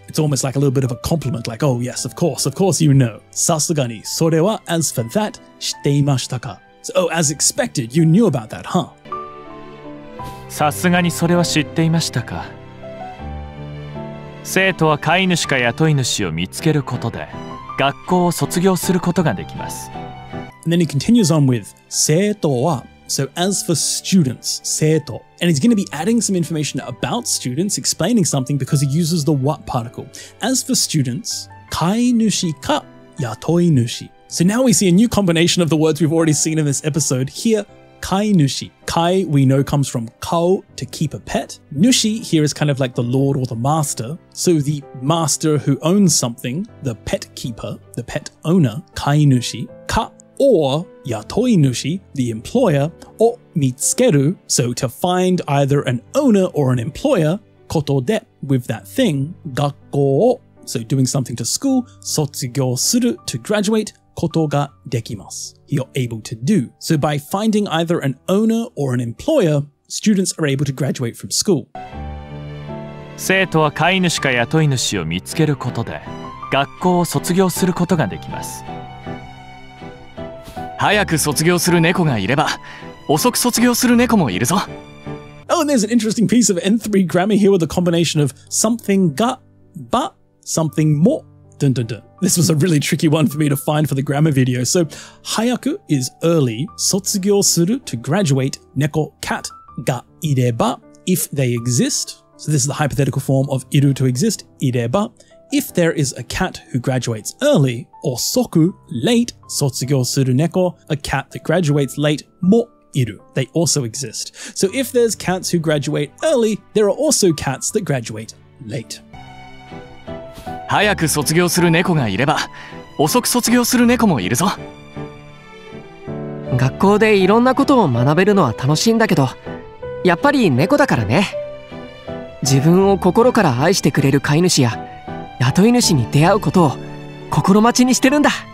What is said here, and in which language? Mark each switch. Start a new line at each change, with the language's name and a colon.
English: It's almost like a little bit of a compliment, like, oh yes, of course you know.
Japanese: さすがにそれは
English: as for that,
Japanese: 知っていましたか。
English: So, oh, as expected, you knew about that, huh?
Japanese: さすがにそれは知っていましたか。生徒は飼い主か雇い主を見つけることで学校を卒業することができます。
English: And then he continues on with
Japanese: 生徒は
English: So as for students, 生徒 And he's going to be adding some information about students, explaining something because he uses the what particle. As for students,
Japanese: 飼い主か雇い主
English: So now we see a new combination of the words we've already seen in this episode. Here, 飼い主 Kai, we know, comes from 飼う to keep a pet. 主 here is kind of like the lord or the master. So the master who owns something, the pet keeper, the pet owner, 飼い主 かOr, 雇い主, the employer,
Japanese: を見つける,
English: so to find either an owner or an employer,
Japanese: ことで,
English: with that thing,
Japanese: 学校を,
English: so doing something to school,
Japanese: 卒業する,
English: to graduate,
Japanese: ことができます,
English: you're able to do. So by finding either an owner or an employer, students are able to graduate from school.
Japanese: 生徒は飼い主か雇い主を見つけることで学校を卒業することができます。早く卒業する猫がいれば、遅く卒業する猫もいるぞ。
English: Oh, and there's an interesting piece of N3 grammar here with a combination of something が、but something も。 Dun, dun, dun. This was a really tricky one for me to find for the grammar video. So, 早く is early, 卒業する to graduate, 猫 cat
Japanese: がいれば
English: if they exist. So this is the hypothetical form of いる to exist,
Japanese: いれば
English: if there is a cat who graduates early, 遅く late,
Japanese: 卒業する猫
English: a cat that graduates late,
Japanese: もいる.
English: They also exist. So if there's cats who graduate early, there are also cats that graduate late.
Japanese: 早く卒業する猫がいれば、遅く卒業する猫もいるぞ。学校でいろんなことを学べるのは楽しいんだけど、やっぱり猫だからね。自分を心から愛してくれる飼い主や雇い主に出会うことを心待ちにしてるんだ。